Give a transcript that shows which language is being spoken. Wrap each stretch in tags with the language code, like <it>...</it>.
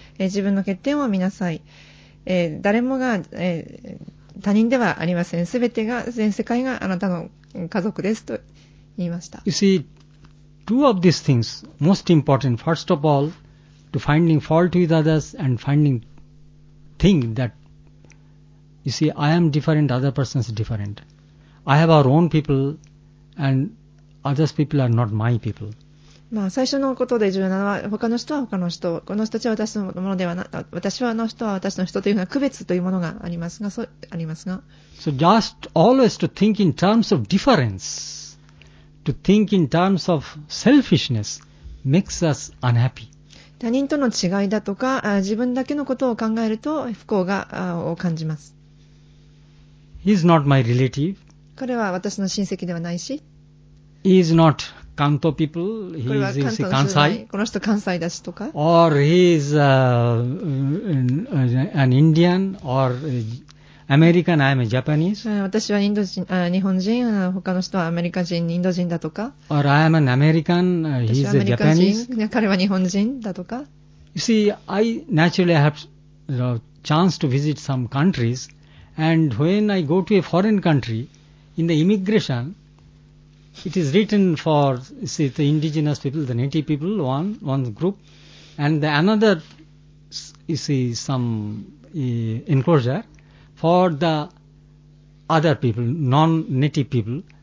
<ja>自分の欠点を見なさい。誰もが、他人ではありません。全てが、全世界があなたの家族ですと言いました。</ja> <en>You see, two of these things most important. First of all, to finding fault with others and finding thing that you see, I am different, other person is different. I have our own people andOthers people are not my people.</en> <ja>まあ最初のことで重要なのは、他の人は他の人、この人たちは私のものではな、私はあの人は私の人というような区別というものがありますが、そうありますが。</ja> <en>So just always to think in terms of difference, to think in terms of selfishness makes us unhappy.</en> <ja>他人との違いだとか、自分だけのことを考えると不幸が、を感じます。</ja> <en>He is not my relative.</en> <ja>彼は私の親戚ではないし、</ja> <en>He is not Kanto people. He is in Kansai.</en> <ja>この人関西だしとか。</ja> <en>Or he is an Indian or American. I am a Japanese.</en> <ja>私はインド人、日本人。他の人はアメリカ人、インド人だとか。</ja> <en>Or I am an American. He is a Japanese.</en> <ja>私はアメリカ人。彼は日本人だとか。</ja> <en>You see, I naturally have the chance to visit some countries, and when I go to a foreign country, in the immigration. It is written for, see, the indigenous people, the native people, one group, and the another, you see, some enclosure for the other people, non-native people.</en>